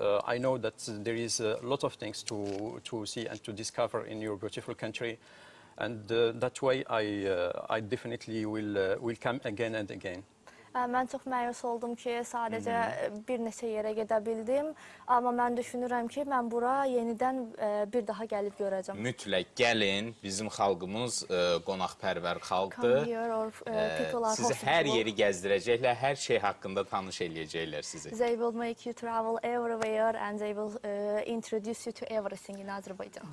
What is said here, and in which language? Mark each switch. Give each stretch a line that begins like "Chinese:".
English: I know that there is a lot of things to see and to discover in your beautiful country. And that way I definitely will come again and again.
Azerbaijani: Mən çox məyus oldum ki, sadəcə bir neçə yerə gedə bildim. Amma mən düşünürəm ki, mən bura yenidən bir daha gəlib görəcəm. Mütləq gəlin, bizim xalqımız qonaqpərvər xalqdır.
English: Come here or people are hospitable.
Azerbaijani: Sizi hər yeri gəzdirəcəklər, hər şey haqqında tanış eləyəcəklər sizi.
English: They will make you travel everywhere and they will introduce you to everything in Azerbaijan.